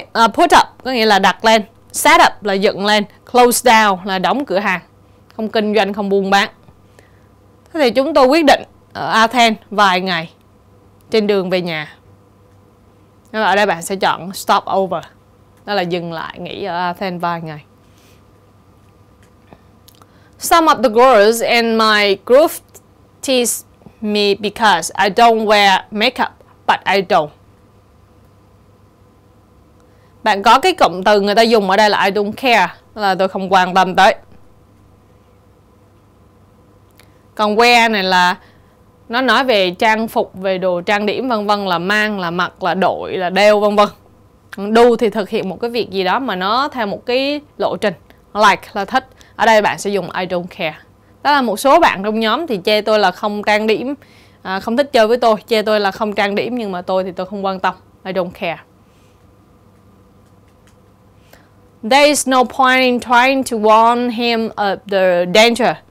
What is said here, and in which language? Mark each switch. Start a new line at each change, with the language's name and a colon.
Vietnamese: Put up có nghĩa là đặt lên. Set up là dựng lên. Close down là đóng cửa hàng. Không kinh doanh, không buôn bán. Thế thì chúng tôi quyết định ở Athens vài ngày trên đường về nhà. Nên ở đây bạn sẽ chọn stop over. Đó là dừng lại, nghỉ ở Athens vài ngày.
English: Some of the girls in my group tease me because I don't wear makeup, but I don't.
Vietnamese: Bạn có cái cụm từ người ta dùng ở đây là
English: I don't care,
Vietnamese: là tôi không quan tâm tới. Còn wear này là nó nói về trang phục, về đồ trang điểm vân vân, là mang, là mặc, là đội, là đeo vân vân. Do thì thực hiện một cái việc gì đó mà nó theo một cái lộ trình. Like là thích. Ở đây bạn sẽ dùng
English: I don't care.
Vietnamese: Đó là một số bạn trong nhóm thì chê tôi là không trang điểm, không thích chơi với tôi. Chê tôi là không trang điểm nhưng mà tôi thì tôi không quan tâm.
English: I don't care. There is no point in trying to warn him of the danger.